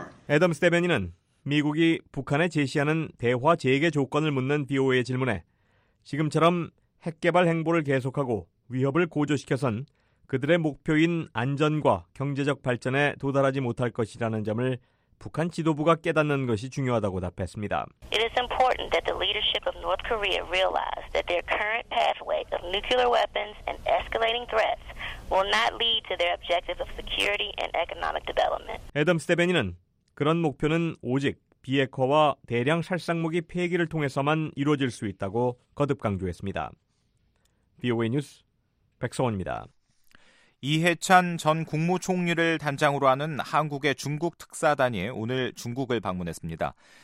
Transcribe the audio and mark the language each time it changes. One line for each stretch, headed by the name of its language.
Korean: 애덤 스테베니는 미국이 북한에 제시하는 대화 재개 조건을 묻는 BOA의 질문에 지금처럼 핵개발 행보를 계속하고 위협을 고조시켜선 그들의 목표인 안전과 경제적 발전에 도달하지 못할 것이라는 점을 북한 지도부가 깨닫는 것이 중요하다고 답했습니다.
English: It is important that the leadership of North Korea realize that their current pathway of nuclear weapons and escalating threats will not lead to their objective of security and economic development.
Korean: 애덤 스테베니는 그런 목표는 오직 비핵화와 대량 살상무기 폐기를 통해서만 이루어질 수 있다고 거듭 강조했습니다. VOA 뉴스 백성원입니다. 이해찬 전 국무총리를 단장으로 하는 한국의 중국 특사단이 오늘 중국을 방문했습니다.